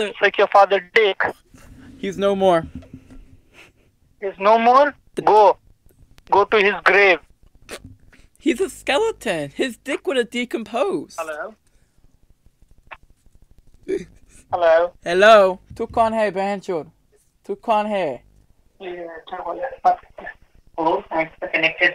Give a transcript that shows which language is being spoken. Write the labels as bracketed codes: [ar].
[en] Let's take your father dick. He's no more. Is no more? Go to his grave. He's a skeleton. His dick would have decomposed. Hello. [hi] तू कौन है, बनचूर? तू कौन है? [en] Yeah, hello, thanks for connecting